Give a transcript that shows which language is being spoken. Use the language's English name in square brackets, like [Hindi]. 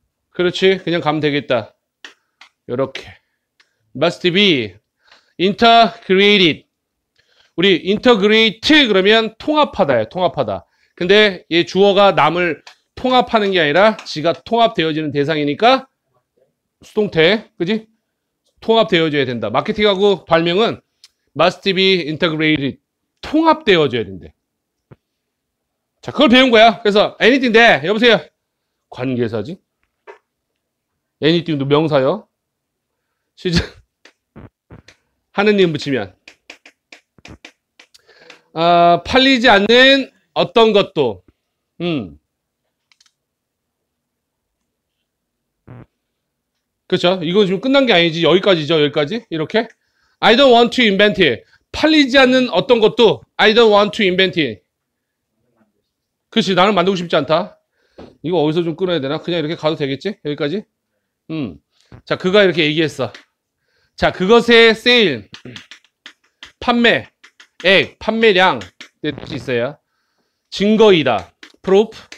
[Korean] 그렇지. 그냥 가면 되겠다. 요렇게. [English] Must be integrated. [Korean] 우리 integrate 그러면 통합하다예요. 통합하다. 근데 얘 주어가 남을 통합하는 게 아니라 지가 통합되어지는 대상이니까 수동태. 그지? 통합되어져야 된다. 마케팅하고 발명은 [English] must be integrated. [Korean] 통합되어져야 된대. 자, 그걸 배운 거야. 그래서 anything인데, 여보세요. 관계사지? anything도 명사요. 시작. 하는 님 붙이면. 팔리지 않는 어떤 것도. 그렇죠? 이건 지금 끝난 게 아니지. 여기까지죠. 여기까지. 이렇게. [English] I don't want to invent it. [Korean] 팔리지 않는 어떤 것도 [English] I don't want to invent it. [Korean] 그렇지. 나는 만들고 싶지 않다. 이거 어디서 좀 끊어야 되나? 그냥 이렇게 가도 되겠지? 여기까지? 자, 그가 이렇게 얘기했어. 자, 그것의 세일, 판매, 액, 판매량, 이 뜻이 있어요. 증거이다. proof.